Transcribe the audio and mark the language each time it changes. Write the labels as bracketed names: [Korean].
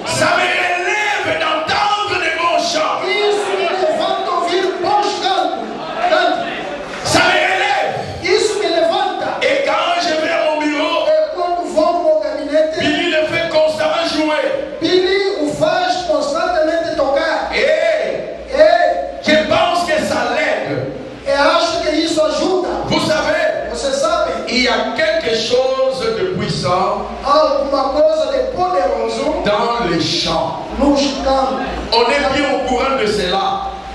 [French] Ça me relève d'entendre de bons chants. [Portuguese] Isso me levanta ouvir bons cantos. [French] Ça me relève. [Portuguese] Isso me levanta. [French] Et quand je vais à mon bureau. [Portuguese] Et quando vou ao meu gabinete. [French] Billy le fait constamment jouer. [Portuguese] Billy o faz constantemente tocar. [French] Et je pense que ça l'aide. [Portuguese] Acho que isso ajuda. Você sabe? [French] Il y a quelque chose de puissant. [Portuguese] Alguma coisa de poderoso. [French] Dans les chants. [Portuguese] Nos cantos. [French] On est bien au courant de cela.